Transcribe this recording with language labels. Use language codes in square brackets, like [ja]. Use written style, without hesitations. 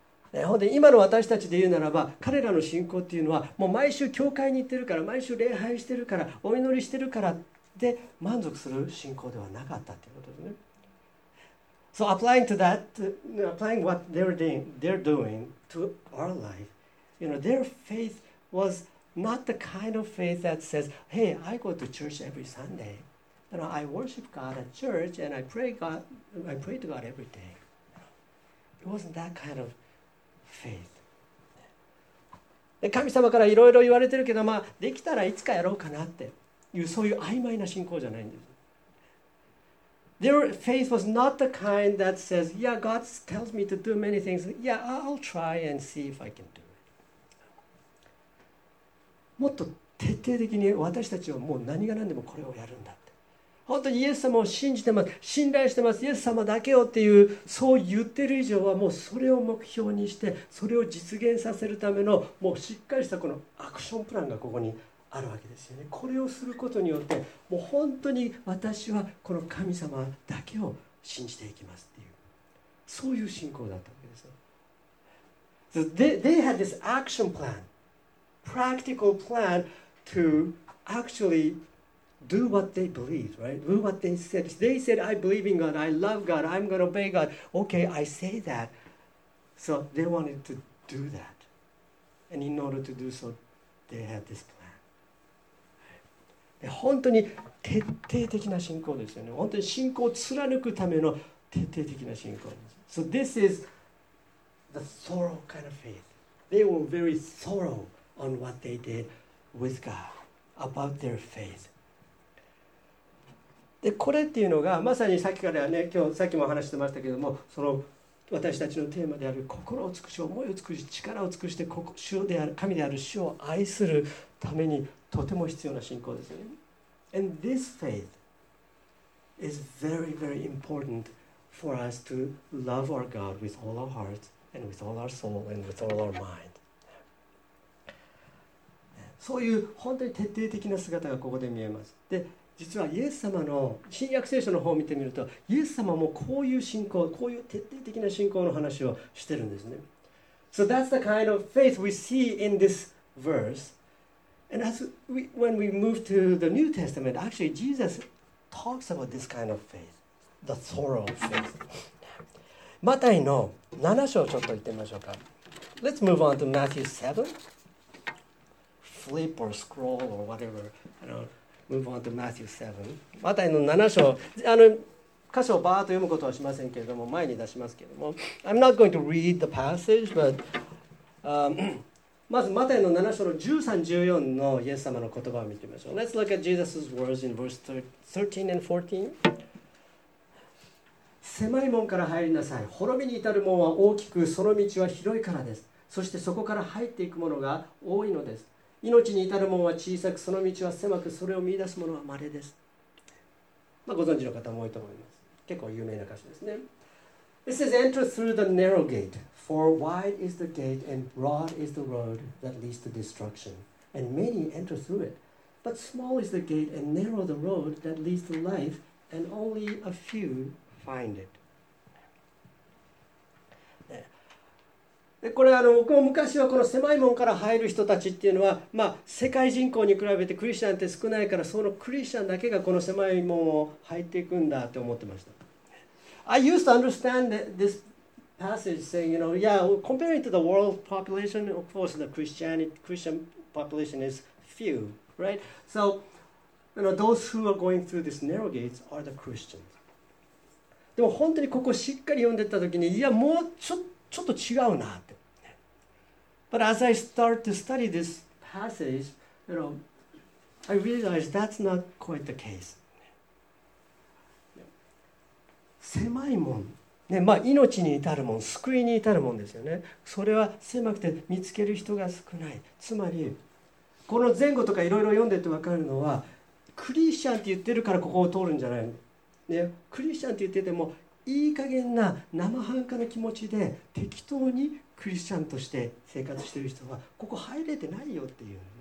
[ja] で今の私たちで言うならば、彼らの信仰っていうのはもう毎週教会に行ってるから、毎週礼拝してるから、お祈りしてるからで満足する信仰ではなかったっていうことですね。 [en] So applying to that, applying what they're doing to our life, you know, their faith was not the kind of faith that says, hey, I go to church every Sunday, you know, I worship God at church and I pray to God every day. It wasn't that kind ofFaith. [ja] 神様からいろいろ言われてるけど、まあ、できたらいつかやろうかなっていう、そういう曖昧な信仰じゃないんです。 [en] Their faith was not the kind that says, yeah, God tells me to do many things. Yeah, I'll try and see if I can do it. [ja] もっと徹底的に私たちはもう何が何でもこれをやるんだって。本当にイエス様を信じてます、信頼してます、イエス様だけをっていう、そう言ってる以上はもうそれを目標にして、それを実現させるためのもうしっかりしたこのアクションプランがここにあるわけですよね。これをすることによってもう本当に私はこの神様だけを信じていきますっていう、そういう信仰だったわけですよ。 [en] So they had this action plan, practical plan to actually do what they believe, right? Do what they said. They said, I believe in God, I love God, I'm going to obey God. Okay, I say that. So they wanted to do that. And in order to do so, they had this plan. [ja] で本当に徹底的な信仰ですよね。本当に信仰を貫くための徹底的な信仰です。 [en] So this is the thorough kind of faith. They were very thorough on what they did with God about their faith. [ja] でこれっていうのがまさにさっきからね、今日さっきも話してましたけども、その私たちのテーマである心を尽くし、思いを尽くし、力を尽くして主である神である主を愛するためにとても必要な信仰ですよね。 [en] And this faith is very, very important for us to love our God with all our heart and with all our soul and with all our mind. [ja] そういう本当に徹底的な姿がここで見えます。で、実はイエス様の新約聖書の方を見てみると、イエス様もこういう信仰、こういう徹底的な信仰の話をしてるんですね。 [en] So that's the kind of faith we see in this verse. And as we, when we move to the New Testament, actually Jesus talks about this kind of faith, the thorough faith. [ja] マタイの7章ちょっと言ってみましょうか。 [en] Let's move on to Matthew 7. Flip or scroll or whatever. Move on to Matthew 7. [ja] マタイの7章。あの箇所をバーッと読むことはしませんけれども、前に出しますけれども。 [en] I'm not going to read the passage, but... [ja] まずマタイの7章の13、14のイエス様の言葉を見てみましょう。 [en] Let's look at Jesus' words in verse 13 and 14. [ja] 狭い門から入りなさい。滅びに至る門は大きく、その道は広いからです。そしてそこから入っていくものが多いのです。命に至る門は小さく、その道は狭く、それを見出すものは稀です。まあ、ご存知の方も多いと思います。結構有名な歌詞ですね。 [en] This is enter through the narrow gate, for wide is the gate and broad is the road that leads to destruction, and many enter through it. But small is the gate and narrow the road that leads to life, and only a few find it.、 [ja] ね、これ僕も昔はこの狭い門から入る人たちっていうのは、まあ、世界人口に比べてクリスチャンって少ないから、そのクリスチャンだけがこの狭い門を入っていくんだって思ってました。 [en] I used to understand this passage saying, you know, yeah, comparing to the world population, of course, the Christian population is few, right? So, you know, those who are going through these narrow gates are the Christians. [ja] でも本当にここをしっかり読んでた時に、いや、もうちょっと違うなって。 [en] But as I start to study this passage, you know, I realize that's not quite the case. [ja] 狭いもん、ね、まあ、命に至るもん、救いに至るもんですよね。それは狭くて見つける人が少ない。つまりこの前後とかいろいろ読んでて分かるのは、クリスチャンって言ってるからここを通るんじゃないの、ね、クリスチャンって言っててもいい加減な生半可な気持ちで適当にクリスチャンとして生活してる人はここ入れてないよっていう、ね、